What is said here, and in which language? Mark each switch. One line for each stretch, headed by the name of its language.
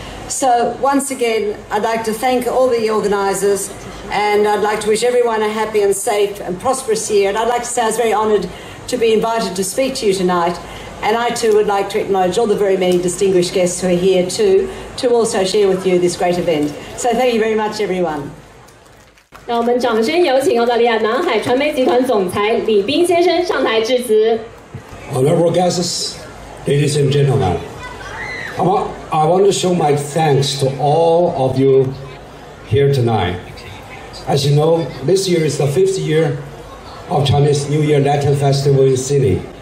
English: So once again, I'd like to thank all the organisers, and I'd like to wish everyone a happy and safe and prosperous year. And I'd like to say I was very honoured to be invited to speak to you tonight. And I too would like to acknowledge all the very many distinguished guests who are here too, to also share with you this great event. So thank you very much, everyone.
Chinese: 让我们掌声有请澳大利亚南海传媒集团总裁李斌先生上台致辞。
English: Honorable guests, ladies and gentlemen, I want to show my thanks to all of you here tonight. As you know, this year is the fifth year of Chinese New Year Lantern Festival in Sydney.